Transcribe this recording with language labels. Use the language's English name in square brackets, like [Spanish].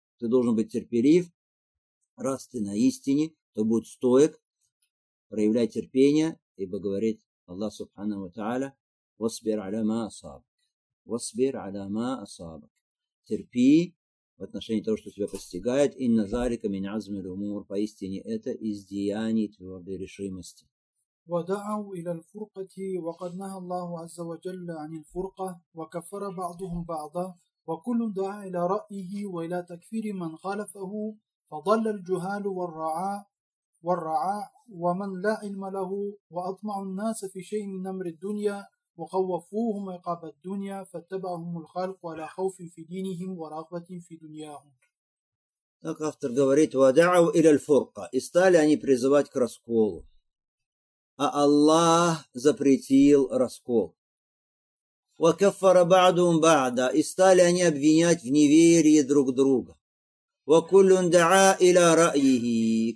[Russian] Ты должен быть терпелив. Раз ты на истине, то будь стоек, проявляй терпение, ибо говорит Аллах Субхана ва Тааля: [Arabic] «Васбир аля ма асабак». «Васбир аля ма асабак». [Russian] Терпи в отношении того, что тебя постигает. [Arabic] «Инна зарика мин азми л-умур». [Russian] Поистине это из деяний твердой решимости. [Arabic] ودعوا إلى الفرقة وقد نهى الله عز وجل عن الفرقة وكفر بعضهم بعضا وكل دعا إلى رأيه وإلى تكفير من خالفه فضل الجهال والرعاء ومن لا علم له وأطمع الناس في شيء من أمر الدنيا وخوفوهم عقاب الدنيا فاتبعهم الخلق ولا خوف في دينهم ورغبة في دنياهم. [Russian] Так автор говорит: [Arabic] ودعوا إلى الفرقة. [Russian] И стали они призывать к расколу. А Аллах запретил раскол. [Arabic] وَكَفَّرَ بَعْدُهُمْ بَعْدًا. [Russian] И стали они обвинять в неверии друг друга. [Arabic] وَكُلٌّ دَعَا إِلَى رَأْيِهِ.